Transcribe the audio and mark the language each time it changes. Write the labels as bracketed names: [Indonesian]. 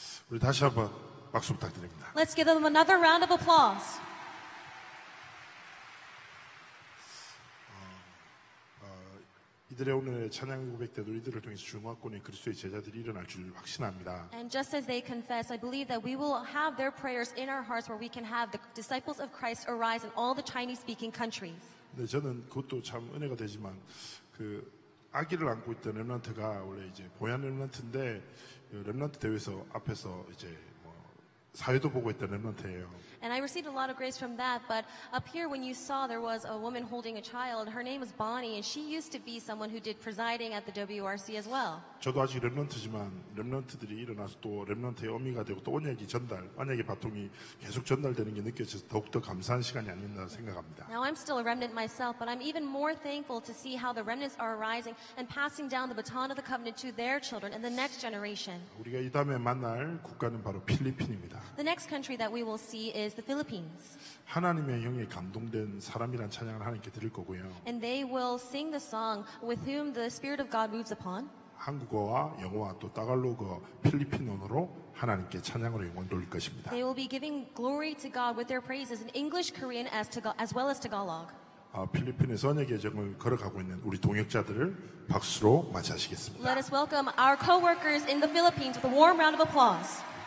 [Korean] 우리 다시 한번 박수 부탁드립니다. [English] Let's give them another round of applause. [Korean] 이들의 오늘의 찬양 고백 때도 이들을 통해서 주목권의 그리스도의 제자들이 일어날 줄 확신합니다. [English] And just as they confess, I believe that we will have their prayers in our hearts where we can have the disciples of Christ arise in all the Chinese-speaking countries. [Korean] 네, 저는 그것도 참 은혜가 되지만 그 아기를 안고 있던 렘넌트가 원래 이제 보얀 렘넌트인데 렘넌트 대회에서 앞에서 이제 뭐 사회도 보고 있던 렘넌트예요. [English] And I received a lot of grace from that, but up here when you saw there was a woman holding a child, her name was Bonnie, and she used to be someone who did presiding at the WRC as well. [Korean] 저도 아직 렘넌트지만 렘넌트들이 일어나서 또 렘넌트의 어미가 되고 또 언약이 전달, 언약의 바통이 계속 전달되는 게 느껴져서 더욱더 감사한 시간이 아닌가 생각합니다. [English] Now I'm still a remnant myself, but I'm even more thankful to see how the remnants are arising and passing down the baton of the covenant to their children and the next generation. [Korean] 우리가 이 다음에 만날 국가는 바로 필리핀입니다. [English] The next country that we will see is the Philippines. [Korean] 하나님의 영에 감동된 사람이란 찬양을 하나님께 드릴 거고요. [English] And they will sing the song with whom the Spirit of God moves upon. [Korean] 한국어와 영어와 또 타갈로그 필리핀어로 하나님께 찬양으로 영광 돌릴 것입니다. [English] They will be giving glory to God with their praises in English, Korean, as well as Tagalog. [Korean] 필리핀에서 언약의 정을 걸어가고 있는 우리 동역자들을 박수로 맞이하시겠습니다. [English] Let us welcome our co-workers in the Philippines with a warm round of applause.